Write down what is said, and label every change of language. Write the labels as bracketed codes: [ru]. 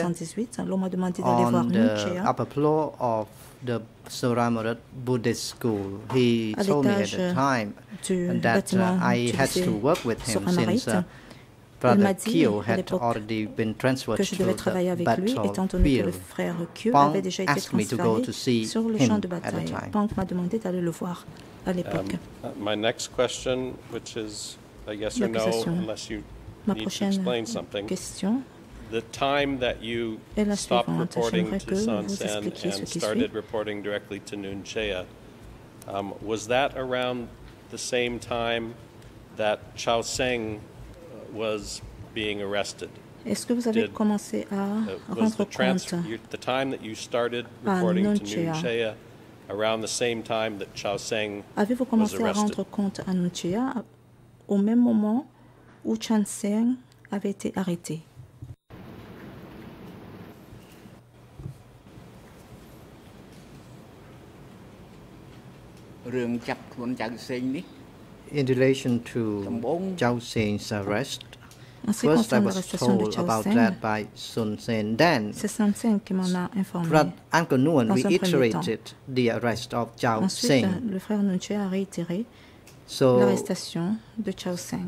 [en] on the upper floor of the Soramorat Buddhist school. He told me at the time that I had to work with him since Brother Kyo had already been transferred to the battlefield. Pong asked me to go to see him at the time. [fr] Pong m'a demandé d'aller le voir à l'époque. [en] My next question, which is a yes or no, unless you need to explain something. [fr] Question. [en] The time that you stopped reporting to Son Sen and started reporting directly to Nguyen Chea, was that around the same time that Chao Seng was being arrested? [fr] Est-ce que vous avez commencé à rendre compte? [en] The time that you started reporting to Nunchea around the same time that Chao Seng was arrested. [fr] Avez-vous commencé à rendre compte à Nunchea au même moment où Chao Seng avait été arrêté? [en] In relation to Chao Seng's arrest, first I was told about that by Sun Sen. Then, Brother Uncle Nguyen reiterated the arrest of Chao Seng. [fr] Le frère Nguyen a réitéré l'arrestation de Chao Seng.